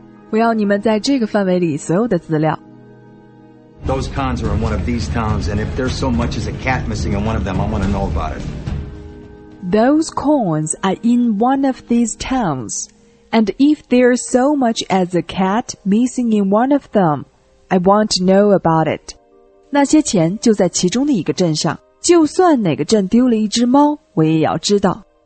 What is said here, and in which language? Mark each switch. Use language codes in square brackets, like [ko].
[zh] 我要你们在这个范围里所有的资料。 [en] Those cons are in one of these towns, and if there's so much as a cat missing in one of them, I want to know about it. Those cons are in one of these towns, and if there's so much as a cat missing in one of them, I want to know about it. [zh] 那些钱就在其中的一个镇上，就算哪个镇丢了一只猫，我也要知道。